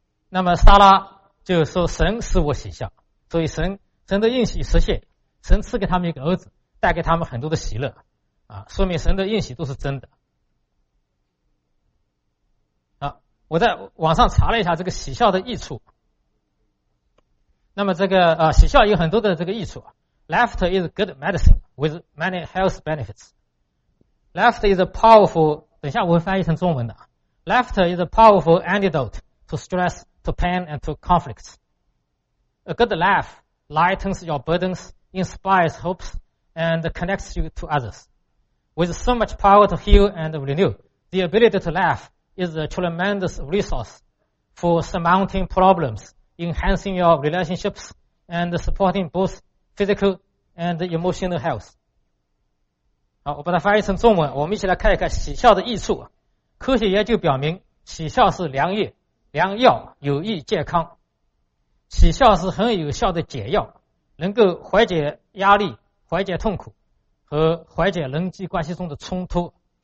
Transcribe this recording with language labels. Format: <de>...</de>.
<zh>那么撒拉就说：“神使我喜笑。” 所以神的应许实现，神赐给他们一个儿子，带给他们很多的喜乐啊，说明神的应许都是真的。我在网上查了一下这个喜笑的益处，那么这个喜笑有很多的这个益处。</zh> <en>Laughter is good medicine with many health benefits. Laughter is a powerful,</en> <zh>等一下我会翻译成中文的，</zh> <en>Laughter is a powerful antidote to stress, to pain and to conflicts. A good laugh lightens your burdens, inspires hopes and connects you to others. With so much power to heal and renew, the ability to laughlaugh is a tremendous resource for surmounting problems, enhancing your relationships, and supporting both physical and emotional health.</en> <zh>好，我把它翻译成中文，我们一起来看一看喜笑的益处。科学研究表明，喜笑是良药，有益健康。喜笑是很有效的解药，能够缓解压力、缓解痛苦和缓解人际关系中的冲突。</zh>